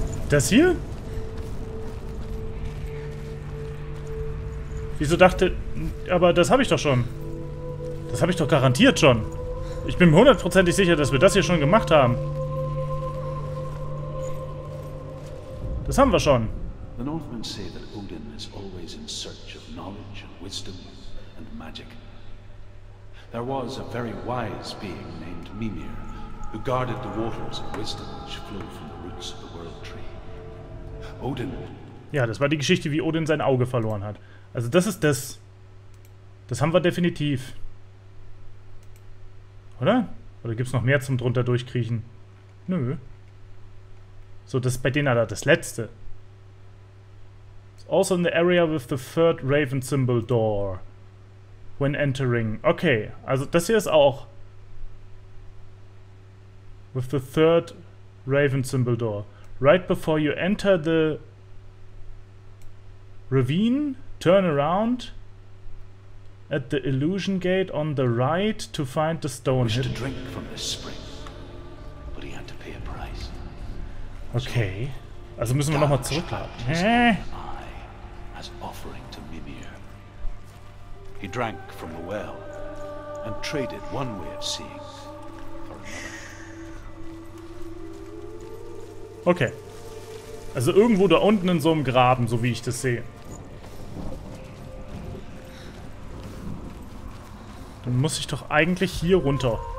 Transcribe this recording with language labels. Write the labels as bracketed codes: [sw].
[de] Das hier? Wieso dachte... Aber das habe ich doch schon. Das habe ich doch garantiert schon. Ich bin mir hundertprozentig sicher, dass wir das hier schon gemacht haben. Das haben wir schon. [en] The Northmen say that Odin is always in search of knowledge and wisdom and magic. There was a very wise being named Mimir, who guarded the waters of wisdom which flowed from the roots of the world tree. Odin. [de] Ja, das war die Geschichte, wie Odin sein Auge verloren hat. Also das ist das. Das haben wir definitiv. Oder? Oder gibt's noch mehr zum drunter durchkriechen? Nö. So, das ist bei denen aber das letzte. [en] Also in the area with the third Raven Symbol door. When entering. [de] Okay, also das hier ist auch. [en] With the third Raven Symbol door. Right before you enter the ravine, turn around at the illusion gate on the right to find the stone. He wished to drink from this spring, but he had to pay a price. [de] Okay. Also müssen wir nochmal zurücklaufen. [en] As offering to Mimir. He drank from the well and traded one way of seeing for another. [de] Okay. Also irgendwo da unten in so einem Graben, so wie ich das sehe. Dann muss ich doch eigentlich hier runter.